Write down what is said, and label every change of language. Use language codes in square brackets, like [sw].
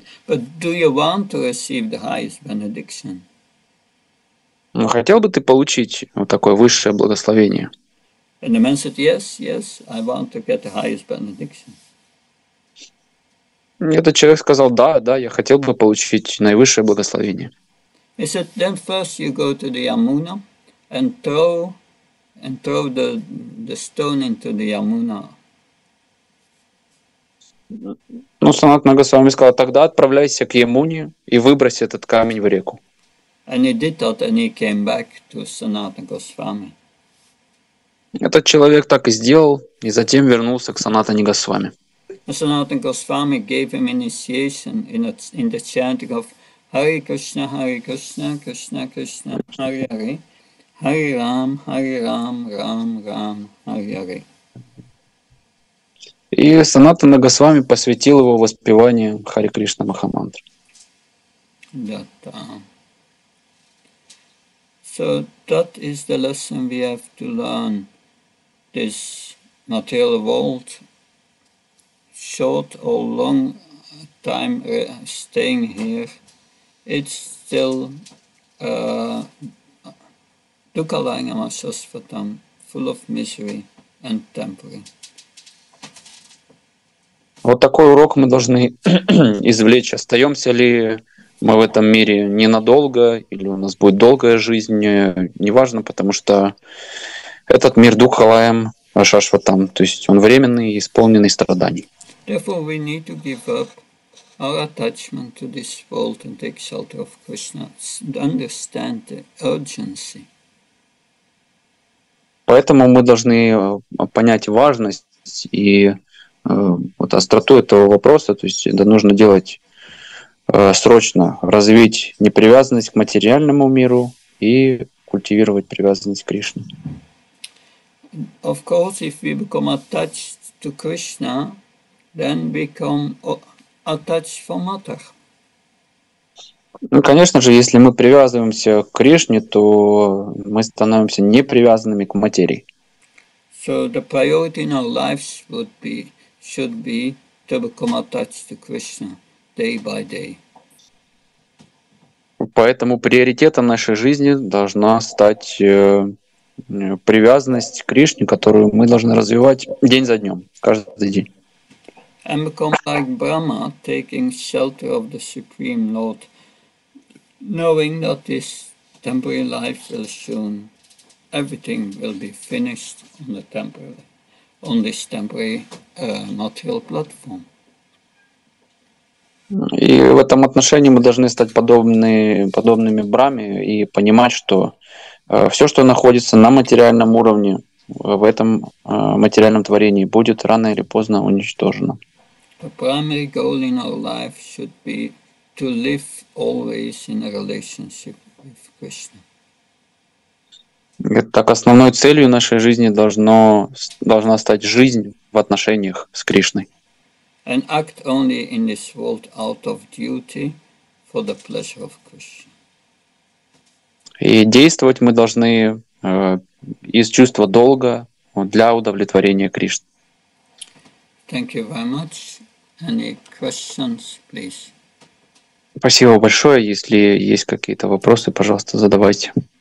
[en] But do you want to receive the highest benediction? [ru] Ну, хотел бы ты получить вот такое высшее благословение? [en] And the man said, yes, I want to get the highest benediction. [ru] Этот человек сказал, да, я хотел бы получить наивысшее благословение. [en] He said, then first you go to the Yamuna and throw the stone into the Yamuna. [ru] Ну, Санатана Госвами сказал, тогда отправляйся к Ямуне и выброси этот камень в реку. [en] And he did that, and he came back to Sanatana Goswami. [ru] Этот человек так и сделал, и затем вернулся к Санатане Госвами. [en] And Sanatana Goswami gave him initiation in the chanting of Hare Krishna, Hare Krishna, Krishna Krishna, Hare Hare. Hare Ram, Hare Ram, Ram Ram, Hare Hare. [ru] И Санатана Госвами посвятил его воспеванию Хари Кришна Махамантры. Да, да. [en] So that is the lesson we have to learn. This material world, short or long time staying here, it's still [sa] dukkhalayam asasvatam, [en] full of misery and temporary. [ru] Вот такой урок мы должны извлечь. Остаемся ли мы в этом мире ненадолго, или у нас будет долгая жизнь, неважно, потому что этот мир дукхалаем ашашватам, то есть он временный и исполненный страданий. [en] Therefore we need to give up our attachment to this world and take shelter of Krishna, understand the urgency. [ru] Поэтому мы должны понять важность и вот остроту этого вопроса, то есть это нужно делать срочно, развить непривязанность к материальному миру и культивировать привязанность к Кришне. [en] Of course, if we become attached to Krishna, then become attached for matter. [ru] Ну, конечно же, если мы привязываемся к Кришне, то мы становимся непривязанными к материи. [en] So the priority in our lives would be should be to become attached to Krishna day by day. [ru] Поэтому приоритетом нашей жизни должна стать привязанность к Кришне, которую мы должны развивать день за днем, каждый день. [en] And become like Brahma, taking shelter of the Supreme Lord, knowing that this temporary life will soon, everything will be finished on the temporary, on this temporary material platform. [ru] И в этом отношении мы должны стать подобными Браме и понимать, что все, что находится на материальном уровне, в этом материальном творении, будет рано или поздно уничтожено. [en] The primary goal in our life should be to live always in a relationship with Krishna. [ru] Так основной целью нашей жизни должна стать жизнь в отношениях с Кришной. [en] And act only in this world out of duty for the pleasure of Krishna. [ru] И действовать мы должны из чувства долга для удовлетворения Кришны. [en] Thank you very much. Any questions, please? [ru] Спасибо большое. Если есть какие-то вопросы, пожалуйста, задавайте.